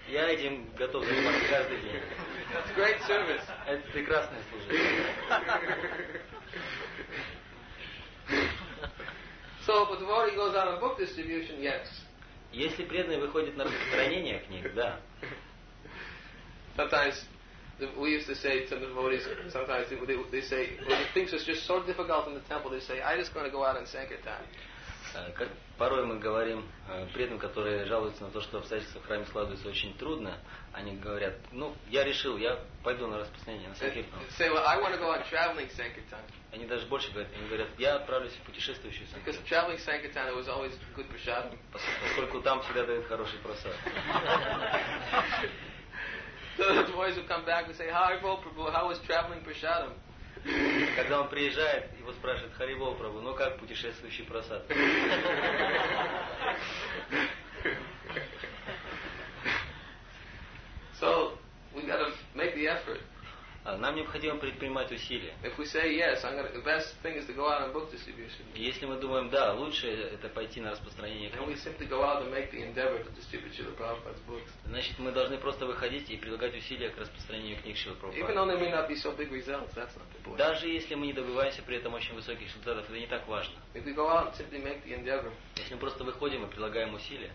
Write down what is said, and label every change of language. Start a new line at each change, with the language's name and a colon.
Russian: Я этим готов заниматься каждый день.
English: That's great service.
Russian: Это прекрасное служение.
English: So, if a devotee goes out on book distribution, yes.
Russian: Если преданный выходит на распространение книг, да.
English: Sometimes. We used to say to the devotees, sometimes they say, when things are just so difficult in the temple, they say, I'm just going to go out in sankirtan.
Russian: Как порой мы говорим преданным, которые жалуются на то, что обстоятельства в храме складываются очень трудно, они говорят, ну, я решил, я пойду на распространение, на санкиртан.
English: Say, well, I want to go out traveling sankirtan.
Russian: Они даже больше говорят, они говорят, я отправлюсь в путешествующую санкиртан.
English: Because traveling sankirtan, it was always good prasad.
Russian: Поскольку там всегда дают хороший просад.
English: So the devotees would come back and say, Haribol Prabhu, how was traveling prasadam?
Russian: Когда он приезжает, его спрашивают, Харибол Прабху, ну как путешествующий просад?
English: So, we got to make the effort.
Russian: нам необходимо предпринимать усилия.
English: If we say yes, the best thing is to go out on book distribution.
Russian: Если мы думаем, да, лучше это пойти на распространение книг.
English: Then we simply go out and make the endeavor to distribute Srila Prabhupada's books.
Russian: Значит, мы должны просто выходить и прилагать усилия к распространению книг Шрилы Прабхупады.
English: Even though they may not be so big results, that's not the point.
Russian: Даже если мы не добиваемся при этом очень высоких результатов, это не так важно.
English: If we go out and simply make the endeavor.
Russian: Если мы просто выходим и прилагаем усилия.